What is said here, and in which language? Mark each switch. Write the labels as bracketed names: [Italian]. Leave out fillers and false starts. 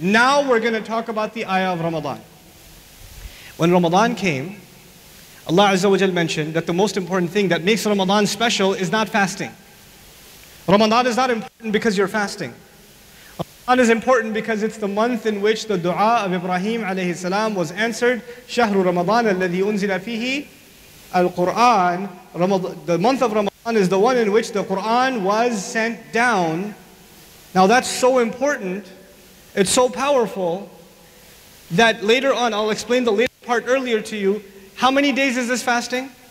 [English] Now we're going to talk about the ayah of Ramadan. When Ramadan came, Allah Azza wa Jal mentioned that the most important thing that makes Ramadan special is not fasting. Ramadan is not important because you're fasting. Ramadan is important because it's the month in which the dua of Ibrahim alayhi salam was answered. [Arabic] شهر رمضان الذي أنزل فيه القرآن. [English] The month of Ramadan is the one in which the Quran was sent down. Now that's so important, it's so powerful, that later on, I'll explain the later part earlier to you. How many days is this fasting?